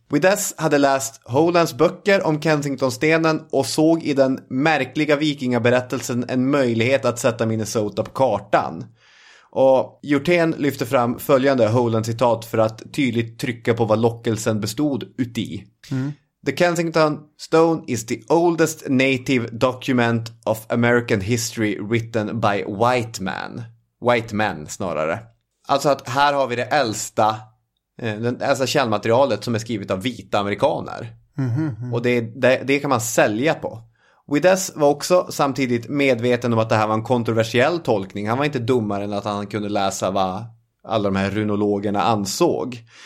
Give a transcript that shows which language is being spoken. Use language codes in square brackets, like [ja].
[sv] Widdes hade läst Holands böcker om Kensingtonstenen och såg i den märkliga vikingaberättelsen en möjlighet att sätta Minnesota på kartan. Och Hjortén lyfte fram följande Holands citat för att tydligt trycka på vad lockelsen bestod uti. [en] The Kensington Stone is the oldest native document of American history written by white man. White men [sv] snarare. Alltså att här har vi det äldsta, alltså källmaterialet som är skrivet av vita amerikaner. Mm-hmm. Och det kan man sälja på. Widdes var också samtidigt medveten om att det här var en kontroversiell tolkning. Han var inte dummare än att han kunde läsa vad alla de här runologerna ansåg.